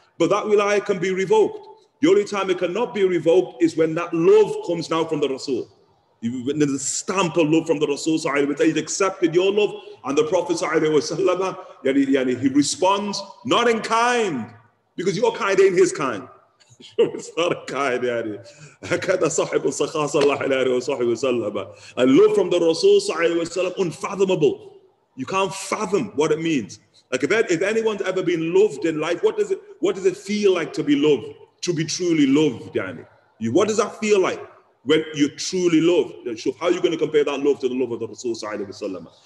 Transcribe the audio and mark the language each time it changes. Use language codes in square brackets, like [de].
[en] But that wilaya can be revoked. The only time it cannot be revoked is when that love comes now from the Rasul. When there's a stamp of love from the Rasul sallallahu alayhi wa sallam, he's accepted your love, and the Prophet sallallahu alayhi wa sallam, yani, he responds, not in kind, because your kind ain't his kind. [ar] صار قاعد يعني هكذا صاحب الصخاء صلى الله عليه وصحبه وسلم. [en] I love from the Rasul صلى الله عليه وسلم unfathomable. You can't fathom what it means. Like that, if anyone's ever been loved in life, what does it feel like to be loved, to be truly loved, يعني? What does that feel like when you're truly loved? How are you going to compare that love to the love of the Rasul صلى الله عليه وسلم?